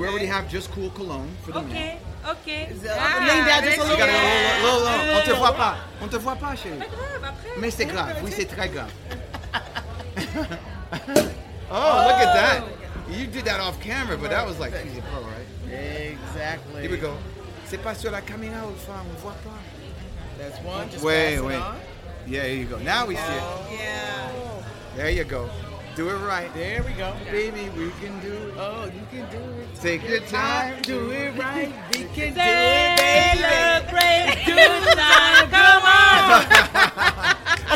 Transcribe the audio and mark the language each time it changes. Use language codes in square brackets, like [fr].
[en] We already have Just Cool cologne for the men. Okay. Okay. Lean down just a little. Low. [fr] On te voit pas. On te voit pas, chérie. Pas grave. Après. Mais c'est grave. Oui, c'est très grave. [en] Oh, look at that. You did that off camera, but that was like, she's a pro, right? Exactly. Here we go. [fr] C'est pas sur la caméra, enfin, on voit pas. [en] That's one. Wait. Yeah, here you go. Now we see it. Yeah. There you go. Do it right. There we go. Baby, we can do it. Oh, you can do it. Take your time. Do it right. We can they do it, baby. Look great. Do not come on.